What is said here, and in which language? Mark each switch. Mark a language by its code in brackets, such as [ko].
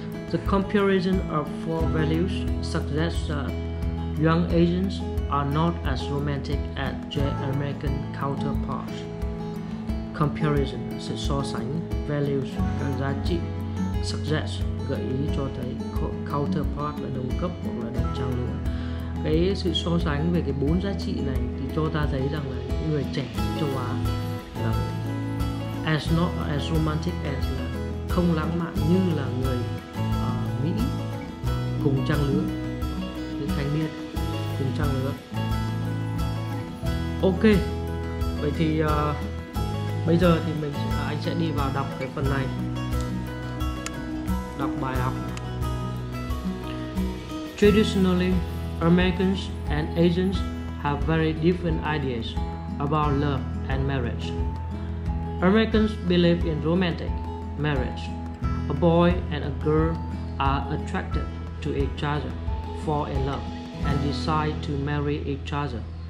[en] The comparison of four values suggests that young Asians are not as romantic as their American counterparts. [vi] Comparison, sự so sánh, values, các giá trị, suggests, gợi ý cho thấy, counterpart là đồng cấp hoặc là đồng trang lứa. Cái sự so sánh về cái bốn giá trị này thì cho ta thấy rằng là người trẻ châu Á là [en] as not as romantic as, [vi] là không lãng mạn như là người Mỹ cùng trang lứa, những thanh niên cùng trang lứa. Ok, vậy thì bây giờ thì anh sẽ đi vào đọc cái phần này, đọc bài học. [en] Traditionally, Americans and Asians have very different ideas about love and marriage. Americans believe in romantic marriage. A boy and a girl are attracted to each other, fall in love, and decide to marry each other.